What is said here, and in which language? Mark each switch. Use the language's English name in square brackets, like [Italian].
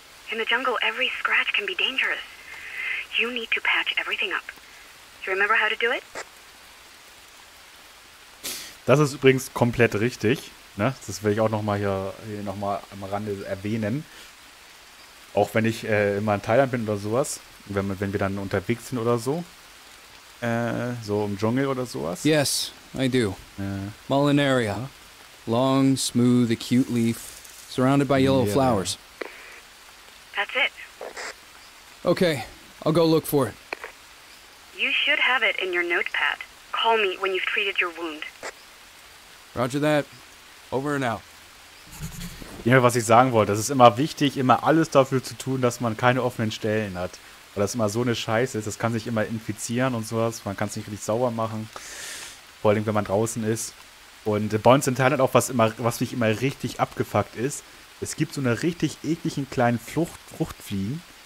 [English] In the jungle, every scratch can be dangerous. You need to patch everything up. You remember how to do it? [German] Das ist übrigens komplett richtig. Ne? Das will ich auch nochmal hier nochmal am Rande erwähnen. Auch wenn ich immer in Thailand bin oder sowas. Wenn wir dann unterwegs sind oder so. So im Dschungel oder sowas. [English] Yes, I do. Molinaria. Long, smooth, acute leaf. Surrounded by yellow flowers. That's it. Okay, I'll go look for it. You should have it in your notepad. Call me when you've treated your wound. Roger that. Over and out. [German] Ja, was ich sagen wollte, es ist immer wichtig, immer alles dafür zu tun, dass man keine offenen Stellen hat. Weil das immer so eine Scheiße ist. Das kann sich immer infizieren und sowas. Man kann es nicht richtig sauber machen. Vor allem, wenn man draußen ist. Und bei uns in Thailand auch, was mich immer richtig abgefuckt ist, es gibt so eine richtig ekligen kleinen Fruchtfliegen.